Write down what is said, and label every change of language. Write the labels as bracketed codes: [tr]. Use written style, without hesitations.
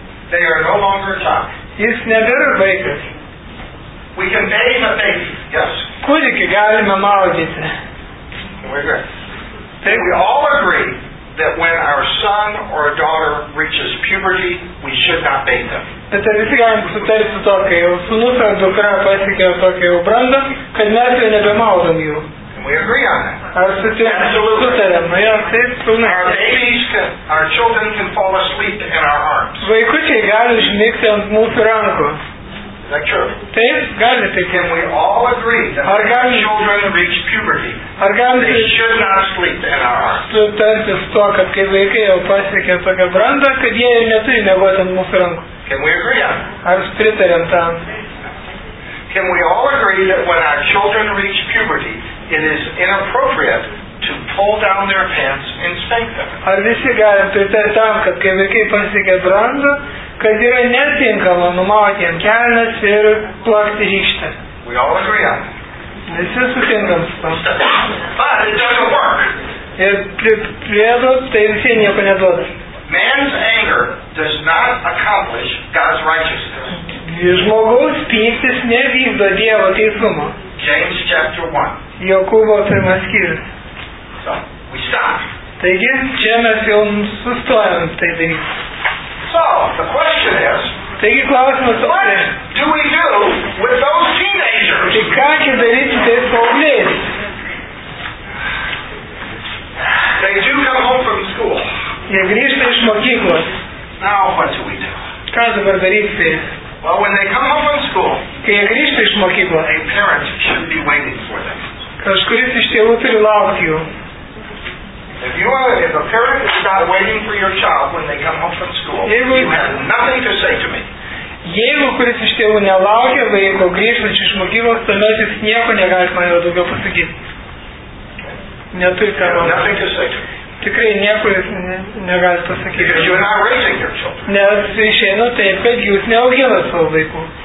[en] they are no longer a child. [lt] Jis nebėra vaikas. [en] We can name a baby, yes. [lt] Kūdikį galime maudyti. [en] We're good. Then we all agree that when our son or a daughter reaches puberty, we should not bathe them. [lt] Bet ar visi galim sutarti su to, kai jau sūnus ar dukra pasiekė tokį jau brandą, kad mes jau nebemaudom jų. [en] And we agree on that. [lt] Ar sutarėm? [en] Our babies, our children can fall asleep in our arms. [lt] Vaikučiai gali užmigti ant mūsų rankų. [en] Is that true? [lt] Taip, galite tik. [en] Can we all agree that when children reach puberty, they should not sleep in our arms? [lt] Sutartis to, kad kai vaikai jau pasiekė tokią brandą, kad jie ir neturi miegoti ant mūsų rankų. [en] Can we agree on? [lt] Ar pritariam tam? [en] Can we all agree that when our children reach puberty, it is inappropriate to pull down their pants and spank them? [lt] Ar visi galim pritarti tam, kad kai vaikai pasiekė brandą, kad yra netinkama numauti jam kelnes ir plakti rykštę. [en] We all agree on. [lt] Visi sutinkam su to. [en] But it doesn't work. [lt] Ir priedo, tai visi nieko neduoda. [en] Man's anger does not accomplish God's righteousness. [lt] Žmogaus pyktis nevykdo Dievo teisumo. [en] James chapter 1. [lt] Jokūbo pirmas skyrius. [en] So, we stop. [lt] Taigi, čia mes jau sustojam tai daryti. [en] So, the question is, [lt] taigi klausimas, [en] what do we do with those teenagers? [lt] Tai ką gi daryti tais paaugliais? [en] They do come home from school. [lt] Jie grįžta iš mokyklos. [en] Now, what do we do? [lt] Ką dabar daryti? [en] Well, when they come home from school, [lt] kai grįžta iš mokyklos, [en] a parent should be waiting for them. [lt] Kažkuris iš tėvų turi laukti jų. [en] If you are, if a parent is not waiting for your child when they come home from school, [lt] jeigu, [en] you have nothing to say to me. [lt] Jeigu kuris iš tėvų nelaukia vaiko grįžtančio iš mokyklos, tuomet jis nieko negali man jau daugiau pasakyti. Neturi ką man. Tikrai nieko jis negali pasakyti. Nes išeina taip, kad jūs neauginat savo vaikų.